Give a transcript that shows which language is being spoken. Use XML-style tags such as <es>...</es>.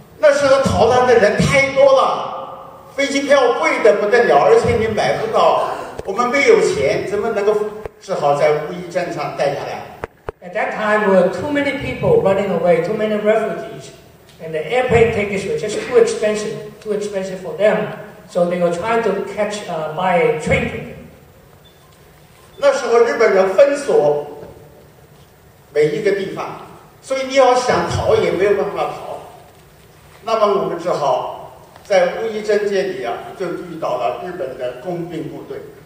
<zh>那时候逃难的人太多了，飞机票贵得不得了，而且你买不到，我们没有钱，怎么能够只好在无依镇上待下来。</zh> <en>At that time, there were too many people running away, too many refugees, and the airplane tickets were just too expensive for them, so they were trying to catch, buy a train ticket.</en> <zh>那时候日本人封锁每一个地方，所以你要想逃也没有办法逃。那么我们只好在乌衣镇这里啊，就遇到了日本的工兵部队。</zh>